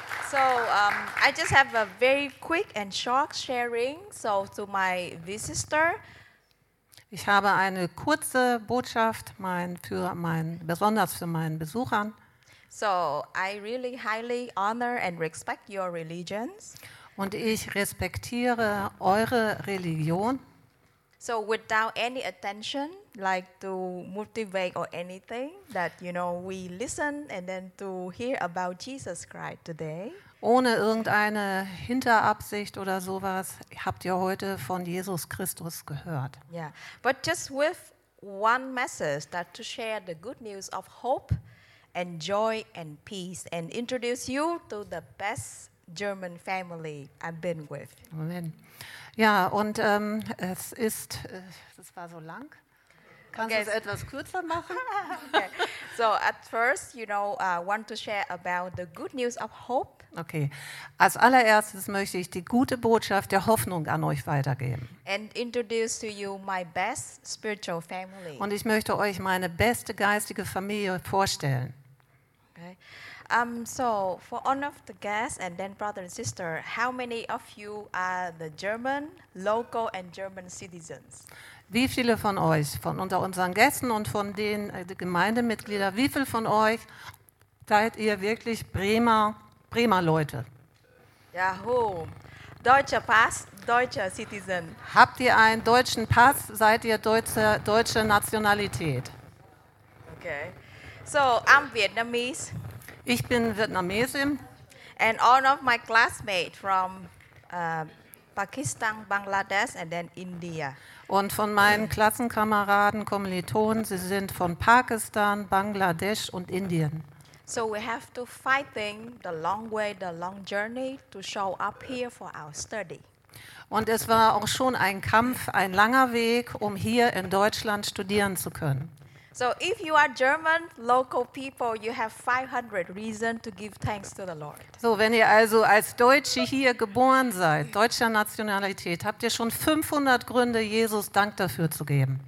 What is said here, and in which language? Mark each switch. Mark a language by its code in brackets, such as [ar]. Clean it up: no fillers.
[en] So, I just have a very quick and short sharing. So, to my visitor. [de] Ich habe eine kurze Botschaft besonders für meinen Besuchern. [en] So, I really highly honor and respect your religions. [de] Und ich respektiere eure Religion. [en] So, without any attention, like to motivate or anything, that you know, we listen and then to hear about Jesus Christ today. [de] Ohne irgendeine Hinterabsicht oder sowas habt ihr heute von Jesus Christus gehört. [en] Yeah, but just with one message that to share the good news of hope and joy and peace and introduce you to the best German family I've been with. [de] Moment. Ja, und es ist, das war so lang. Kannst du es etwas kürzer machen? Okay. [en] So at first, you know, I want to share about the good news of hope. Okay. [de] Als allererstes möchte ich die gute Botschaft der Hoffnung an euch weitergeben. [en] And introduce to you my best spiritual family. [de] Und ich möchte euch meine beste geistige Familie vorstellen. [en] Okay. So for all of the guests and then brother and sister, how many of you are the German, local and German citizens? [de] Wie viele von euch, von unter unseren Gästen und von den Gemeindemitgliedern, wie viele von euch seid ihr wirklich Bremer Leute? Ja, ho. Deutscher Pass, deutscher [en] Citizen. [de] Habt ihr einen deutschen Pass, seid ihr deutsche Nationalität? [en] Okay. So, I'm Vietnamese. [de] Ich bin Vietnamesin. [en] And all of my classmates from Pakistan, Bangladesch and then India. [de] Und von meinen Klassenkameraden, Kommilitonen, sie sind von Pakistan, Bangladesch und Indien. [en] So we have to fight thing the long way, the long journey to show up here for our study. [de] Und es war auch schon ein Kampf, ein langer Weg, um hier in Deutschland studieren zu können. [en] So if you are German local people, you have 500 reasons to give thanks to the Lord. [de] So wenn ihr also als Deutsche hier geboren seid, deutscher Nationalität, habt ihr schon 500 Gründe, Jesus Dank dafür zu geben.